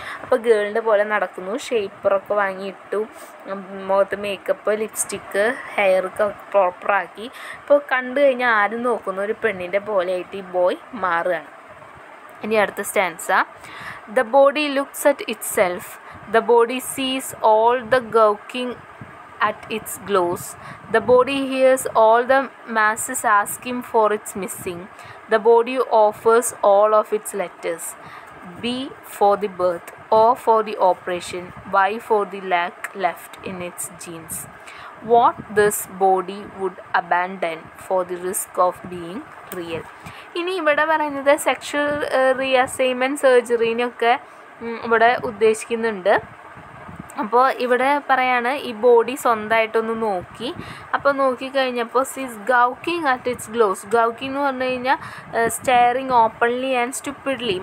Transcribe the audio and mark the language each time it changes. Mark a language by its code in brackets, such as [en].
[ml] അപ്പോൾ ഗേളിൻ്റെ പോലെ നടക്കുന്നു, ഷേപ്പറൊക്കെ വാങ്ങിയിട്ടു, മുഖത്ത് മേക്കപ്പ്, ലിപ്സ്റ്റിക്ക്, ഹെയറൊക്കെ പ്രോപ്പറാക്കി. ഇപ്പോൾ കണ്ടു കഴിഞ്ഞാൽ ആരും നോക്കുന്ന ഒരു പെണ്ണിൻ്റെ പോലെയായിട്ട് ഈ ബോയ് മാറുകയാണ്. ഇനി അടുത്ത stanza, [en] The body looks at itself. The body sees all the gawking at its glows. The body hears all the masses asking for its missing. The body offers all of its letters. B for the birth, O for the operation, Y for the lack left in its genes. What this body would abandon for the risk of being real. [ml] ഇനി ഇവിടെ പറയുന്നത് sexual റീഅസൈൻമെൻറ് സർജറിനെയൊക്കെ ഇവിടെ ഉദ്ദേശിക്കുന്നുണ്ട്. അപ്പോൾ ഇവിടെ പറയാണ്, ഈ body സ്വന്തമായിട്ടൊന്ന് നോക്കി. അപ്പോൾ നോക്കിക്കഴിഞ്ഞപ്പോൾ [en] Sees gawking at its glows. Gawking [ml] എന്ന് പറഞ്ഞു കഴിഞ്ഞാൽ [en] Staring openly and stupidly.